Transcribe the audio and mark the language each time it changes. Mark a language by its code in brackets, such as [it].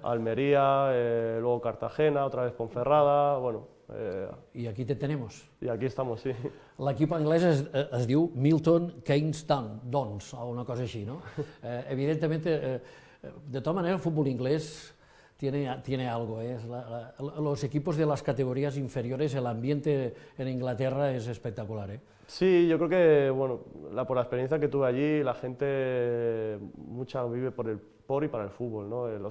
[es] Almería, luego Cartagena, otra vez Ponferrada, bueno. I aquí te tenemos. I aquí estamos, sí. [ca] L'equip anglès es diu Milton Keynes Dons, o una cosa així, no? Evidentment, de tota manera, el futbol anglès [es] tiene algo, Los equipos de las categorías inferiores, el ambiente en Inglaterra es espectacular, Sí, yo creo que, bueno, por la experiencia que tuve allí, la gente mucha vive por y para el fútbol, ¿no?